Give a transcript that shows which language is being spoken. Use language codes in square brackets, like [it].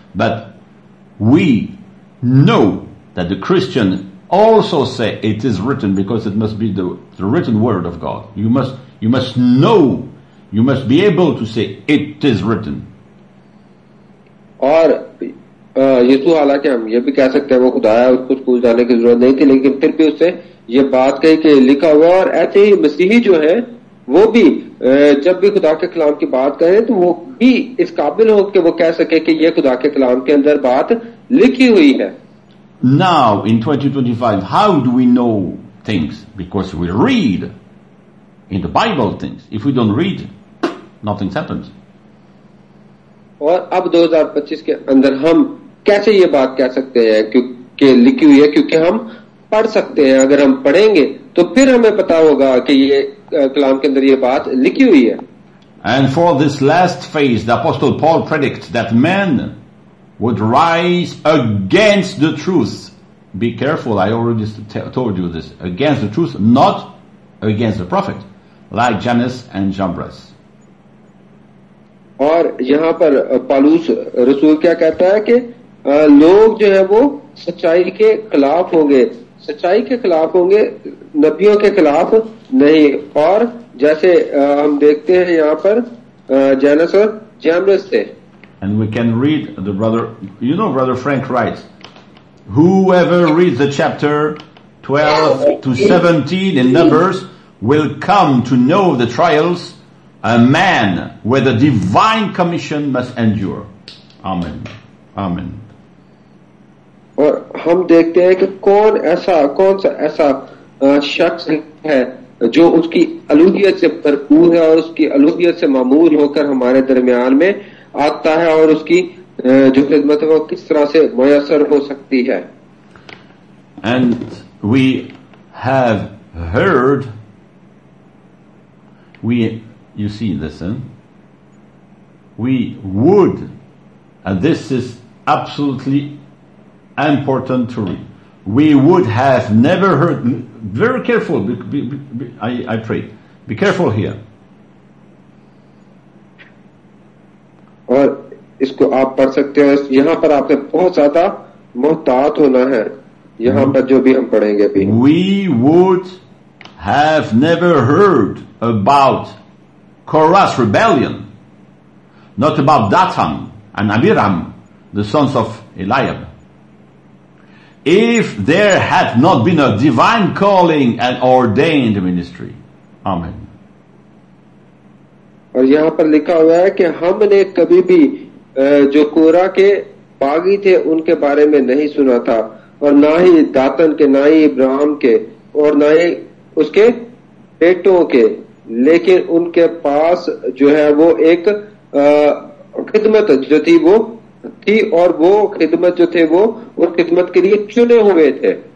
[en] But we know that the Christian also say it is written because it must be the written word of God. You must know, you must be able to say it is written. [hi] और यीशु, हालांकि हम ये भी कह सकते हैं वो खुदा है, उसको स्कूल जाने की जरूरत नहीं थी, लेकिन फिर भी उसने ये बात कही कि लिखा हुआ. और ऐसे ही मसीही जो है वो भी जब भी खुदा के कलाम की बात करें तो वो भी इस काबिल हो कि वो कह सके कि ये खुदा के कलाम के अंदर बात लिखी हुई है. [en] Now in 2025, how do we know things? Because we read in the Bible things. If we don't read, nothing happens. [hi] और अब 2025 के अंदर हम कैसे ये बात कह सकते हैं क्योंकि लिखी हुई है, क्योंकि हम पढ़ सकते हैं. अगर हम पढ़ेंगे तो फिर हमें पता होगा कि ये कलाम के अंदर ये बात लिखी हुई है. [en] And for this last phase, the Apostle Paul predicts that men would rise against the truth. Be careful, I already told you this. Against the truth, not against the prophet. Like Jannes and Jambres. [hi] और यहां पर पालूस रसूल क्या कहता है कि लोग जो है वो सच्चाई के खिलाफ होंगे, सच्चाई के खिलाफ होंगे, नबियों के खिलाफ नहीं. और जैसे हम देखते हैं यहां पर जैनस और जैमरस थे. [en] And we can read the brother, you know, Brother Frank writes, whoever reads the chapter 12 to 17 in Numbers will come to know the trials a man with a divine commission must endure. Amen. Amen. [hi] और हम देखते हैं कि कौन सा ऐसा शख्स है जो उसकी अलूहियत से भरपूर है और उसकी अलूहियत से मामूर होकर हमारे दरमियान में आता है और उसकी जो खिदमत है वो किस तरह से मुयसर हो सकती है. [en] And we have heard, we would, and this is absolutely important to read, we would have never heard, very careful, I pray, be careful here. [hi] और इसको आप पढ़ सकते हैं, यहां पर आपने बहुत ज्यादा मोहतात होना है यहां पर जो भी हम पढ़ेंगे भी. [en] We would have never heard about Korah's rebellion, not about Datan and Abiram, the sons of Eliab, if there had not been a divine calling and ordained ministry. Amen. [hi] और यहां पर लिखा हुआ है कि हमने कभी भी जो कोरा के बागी थे उनके बारे में नहीं सुना था, और ना ही दातन के, ना ही इब्राहिम के, और ना ही उसके बेटों के, लेकिन उनके पास जो है वो एक खिदमत जो थी वो थी, और वो खिदमत जो थे वो उस खिदमत के लिए चुने हुए थे.